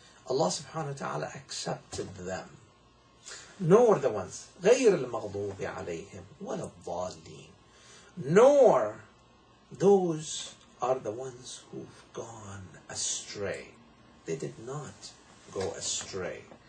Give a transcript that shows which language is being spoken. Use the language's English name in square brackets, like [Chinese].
[English] Allah subhanahu wa ta'ala accepted them. Nor the ones, [Arabic] غير المغضوب عليهم ولا الضالين. [English] Nor those are the ones who've gone astray. They did not go astray.